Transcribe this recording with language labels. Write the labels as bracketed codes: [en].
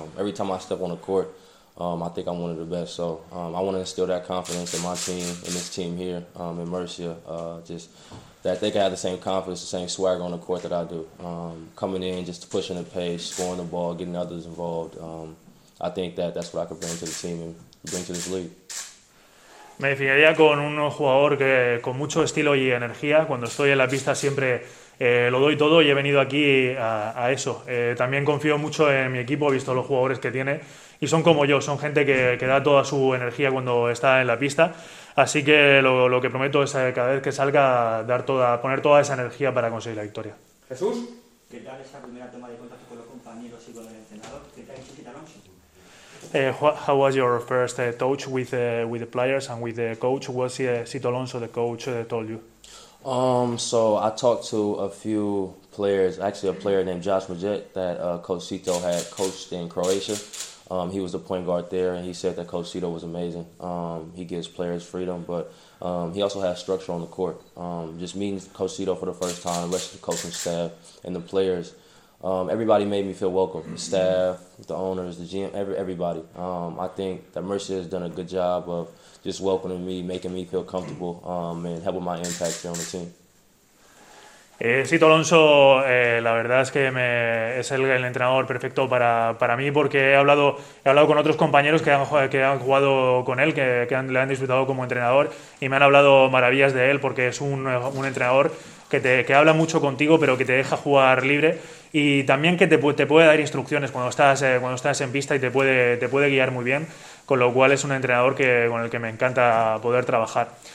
[en] Every time I step on the court, I think I'm one of the best. So I want to instill that confidence in my team, in this team here, in Murcia, just that they can have the same confidence, the same swagger on the court that I do. Coming in, just pushing the pace, scoring the ball, getting others involved. I think that's what I can bring to the team and bring to this league. [es] Me definiría con un jugador que con mucho estilo y energía. Cuando estoy en la pista siempre lo doy todo, y he venido aquí a eso. También confío mucho en mi equipo, he visto los jugadores que tiene, y son como yo, son gente que da toda su energía cuando está en la pista. Así que lo que prometo es cada vez que salga poner toda esa energía para conseguir la victoria. Jesús, ¿qué tal esa primera toma de contacto con los compañeros y con el entrenador? ¿Qué tal Chiquita Alonso? [en] How was your first touch with the players and with the coach? What did Sito Alonso, the coach, told you? So I talked to a few players, actually a player named Josh Majet that Coach Sito had coached in Croatia. He was the point guard there, and he said that Coach Sito was amazing. He gives players freedom, but he also has structure on the court. Just meeting Coach Sito for the first time, the rest of the coaching staff and the players, everybody made me feel welcome. The staff, the owners, the GM, everybody. I think that Murcia has done a good job of just welcoming me, making me feel comfortable, and helping my impact here on the team. [es] Sito Alonso, la verdad es que es el entrenador perfecto para mí, porque he hablado con otros compañeros que han jugado con él, le han disfrutado como entrenador, y me han hablado maravillas de él, porque es un entrenador que habla mucho contigo, pero que te deja jugar libre, y también que te puede dar instrucciones cuando estás en pista, y te puede guiar muy bien, con lo cual es un entrenador con el que me encanta poder trabajar.